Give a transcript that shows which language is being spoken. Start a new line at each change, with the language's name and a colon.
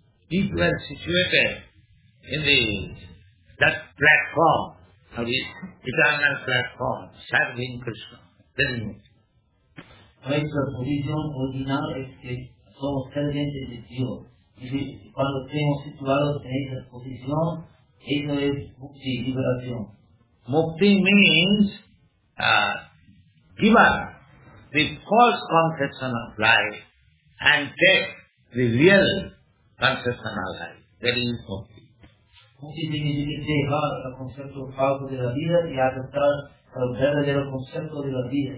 English: If we are situated in the that platform, of this eternal platform, serving Krishna, then original is
Spanish: somos servientes de Dios. Y cuando estemos situados en esa posición, eso es mukti, liberación.
English: Mukti means give up the false conception of life and take the real conception of life. That is mukti.
Spanish: Mukti significa dejar el concepto falso de la vida y aceptar el verdadero concepto de la vida.